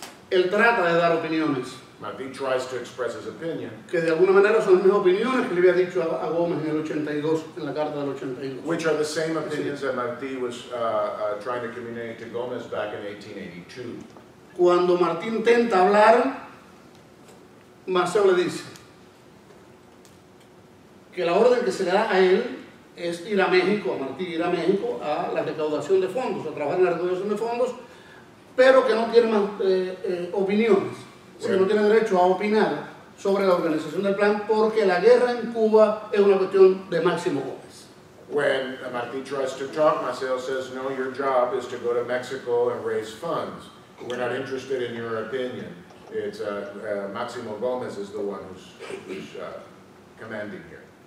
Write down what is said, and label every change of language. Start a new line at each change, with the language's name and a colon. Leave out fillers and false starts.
Spanish: Él trata de dar opiniones.
English: Martí tries to express his opinion.
Spanish: Que de alguna manera son las mismas opiniones que le había dicho a Gómez en el 82, en la carta del 82.
English: Which are the same opinions that Martí was trying to communicate to Gómez back in 1882.
Spanish: Cuando Martí intenta hablar, Maceo le dice que la orden que se le da a él es ir a México, a Martí, ir a México a la recaudación de fondos, a trabajar en la recaudación de fondos, pero que no tiene más opiniones, bueno, sino que no tiene derecho a opinar sobre la organización del plan, porque la guerra en Cuba es una cuestión de Máximo Gómez.
English: When Martí tries to talk, Maceo says, no, your job is to go to Mexico and raise funds. We're not interested in your opinion. It's Máximo Gómez is the one who's commanding here.